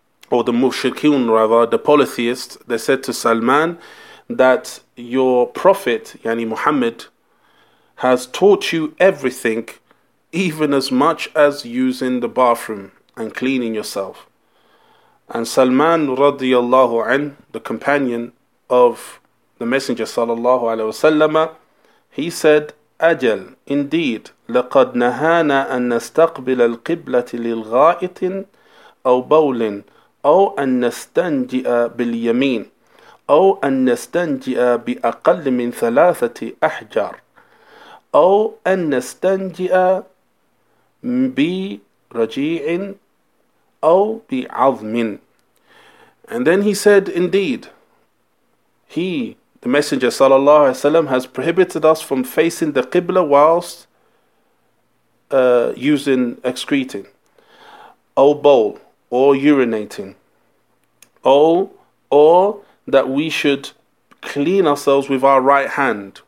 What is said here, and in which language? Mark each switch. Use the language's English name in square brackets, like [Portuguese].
[English] or the mushrikeen rather, the polytheist, they said to Salman that your prophet, yani Muhammad, has taught you everything, even as much as using the bathroom and cleaning yourself. And Salman radiyallahu an, the companion of the Messenger sallallahu alayhi wasallam, he said, أجل, indeed, [Arabic] لقد نهانا أن نستقبل القبلة للغائط أو بول أو أن نستنجئ باليمين أو أن نستنجئ بأقل من ثلاثة أحجار أو أن نستنجئ برجيع أو بعظم. [English] And then he said, indeed, the Messenger sallallahu alaihi wasallam has prohibited us from facing the Qibla whilst using excreting, or bowl, or urinating, or that we should clean ourselves with our right hand.